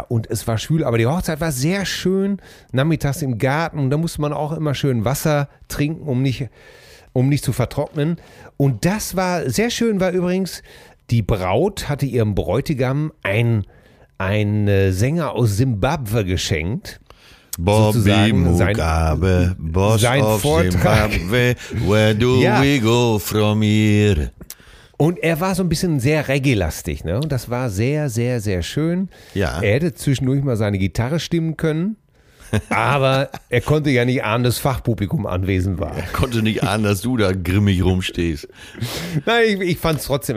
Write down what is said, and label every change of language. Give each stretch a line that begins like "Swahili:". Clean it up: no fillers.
German: Und es war schwül, aber die Hochzeit war sehr schön. Nachmittags im Garten. Und da musste man auch immer schön Wasser trinken, um nicht zu vertrocknen. Und das war sehr schön, war übrigens. Die Braut hatte ihrem Bräutigam einen Sänger aus Simbabwe geschenkt.
English: Bobby Mugabe, Boss of Zimbabwe, where do we go from here?
German: Und er war so ein bisschen sehr reggae-lastig, ne? Und das war sehr, sehr, sehr schön. Ja. Er hätte zwischendurch mal seine Gitarre stimmen können. Aber er konnte ja nicht ahnen, dass Fachpublikum anwesend war. Er konnte nicht ahnen, dass du da grimmig rumstehst. Nein, ich fand es trotzdem.